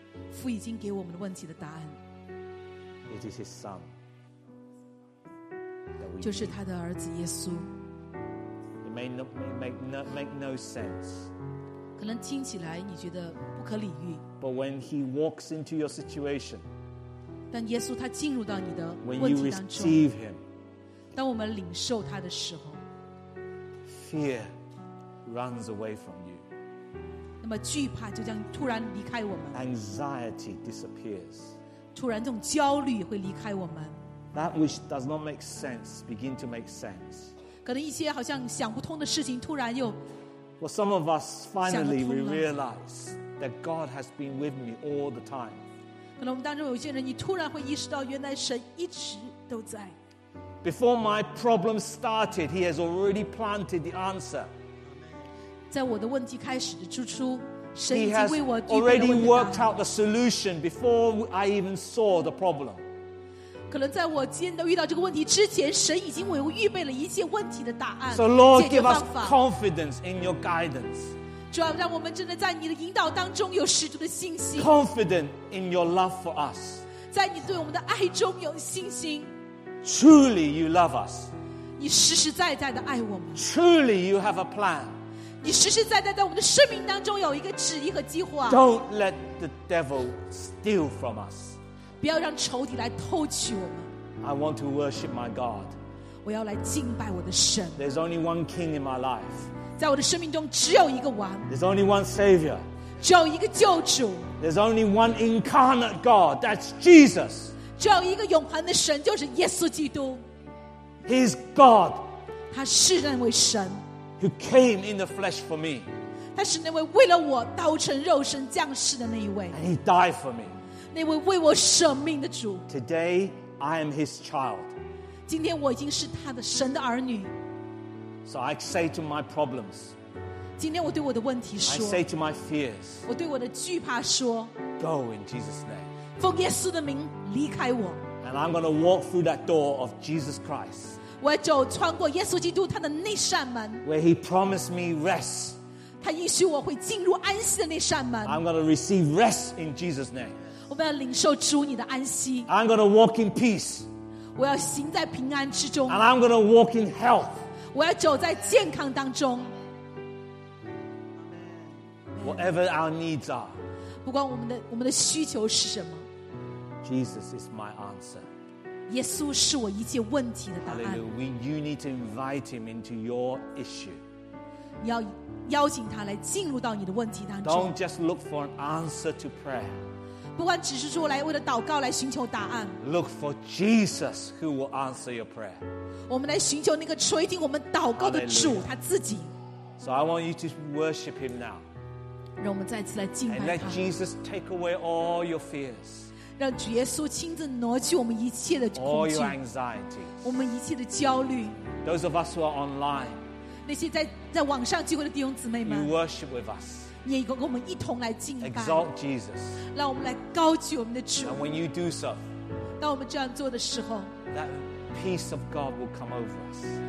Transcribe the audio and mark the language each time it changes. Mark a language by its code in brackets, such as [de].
[zh] 父已经给我们问题的答案。 [en] It is His Son. [zh] 就是他的儿子耶稣。 [en] May not make no sense. [zh] 可能听起来你觉得不可理喻。 [en] But when he walks into your situation, [zh] 但耶稣他进入到你的问题当中。 [en] When you receive him, [zh] 当我们领受他的时候 [en] ，fear runs away from you. [zh] 那么惧怕就将突然离开我们。 [en] Anxiety disappears. [zh] 突然这种焦虑会离开我们。 [en] That which does not make sense begin to make sense. [zh] 可能一些好像想不通的事情突然又想得通了。 [en] Well, some of us finally we realize that God has been with me all the time. [zh] 可能我们当中有些人你突然会意识到原来神一直都在。 [en] Before my problem started, he has already planted the answer. [zh] 在我的问题开始之初，神已经为我预备了问题。 [en] He has already worked out the solution before I even saw the problem. [zh] 可能在我今天遇到这个问题之前，神已经为我预备了一切问题的答案。 [en] So Lord, give us confidence in your guidance. [zh] 主啊，让我们真的在你的引导当中有十足的信心。 [en] Confident in your love for us. [zh] 在你对我们的爱中有信心。 [en] Truly, you love us. [zh] 你实实在在的爱我们。 [en] Truly, you have a plan. [zh] 你实实在在在我们的生命当中有一个旨意和计划。 [en] Don't let the devil steal from us. [zh] 不要让仇敌来偷取我们。 [en] I want to worship my God. [zh] 我要来敬拜我的神。 [en] There's only one King in my life. [zh] 在我的生命中只有一个王。 [en] There's only one Savior. [zh] 只有一个救主。 [en] There's only one incarnate God, that's Jesus. [zh] 只有一个永恒的神，就是耶稣基督。 [en] He's God. [zh] 他是那位神。 [en] Who came in the flesh for me. [zh] 他是那位为了我道成肉身降世的那一位。 [en] And he died for me. [zh] 那位为我舍命的主。 [en] Today, I am his child. [zh] 今天我已经是他的神的儿女。 [en] So I say to my problems. [zh] 今天我对我的问题说。 [en] I say to my fears. [zh] 我对我的惧怕说。 [en] Go in Jesus' name. [zh] 奉耶稣的名离开我。 [en] And I'm going to walk through that door of Jesus Christ. [zh] 我要走穿过耶稣基督他的那扇门。 [en] Where he promised me rest. [zh] 他应许我会进入安息的那扇门。 [en] I'm going to receive rest in Jesus' name. [zh] 我们要领受主你的安息。 [en] I'm going to walk in peace. [zh] 我要行在平安之中。 [en] And I'm going to walk in health. [zh] 我要走在健康当中。 [en] Whatever our needs are, [zh] 不管我们的需求是什么 [en] ，Jesus is my answer. [zh] 耶稣是我一切问题的答案。 [en] You need to invite him into your issue. [zh] 你要邀请他来进入到你的问题当中。 [en] Don't just look for an answer to prayer. [zh] 不管只是说来为了祷告来寻求答案。 [en] Look for Jesus who will answer your prayer. [zh] 我们来寻求那个垂听我们祷告的主他自己。 [en] So I want you to worship him now. [zh] 让我们再次来敬拜他。 [en] And let Jesus take away all your fears. [zh] 让主耶稣亲自挪去我们一切的恐惧。 [en] All your anxiety. [zh] 我们一切的焦虑。 [en] Those of us who are online. [zh] 那些在网上聚会的弟兄姊妹们。 [en] You worship with us. [zh] 也跟我们一同来敬拜。 [en] Exalt Jesus. [zh] 让我们来高举我们的主。 [en] And when you do so. [zh] 当我们这样做的时候。 [en] Peace of God will come over us.